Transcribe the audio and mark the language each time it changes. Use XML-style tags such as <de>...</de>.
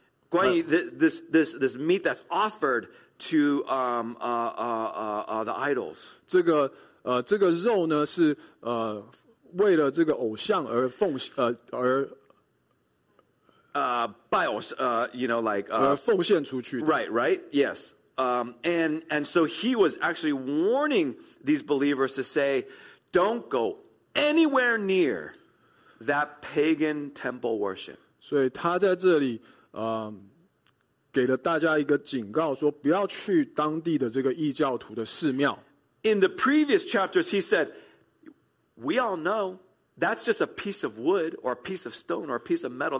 <en>关于this meat that's offered to the idols.</en> <zh>这个肉呢是为了这个偶像而奉献出去的。</zh> <en>Right, yes. And so he was actually warning these believers to say, don't go anywhere near that pagan temple worship.</en> <zh>所以他在这里 给了大家一个警告，说不要去当地的这个异教徒的寺庙。In</zh> <en>the previous chapters, he said, we all know that's just a piece of wood or a piece of stone or a piece of metal.</en>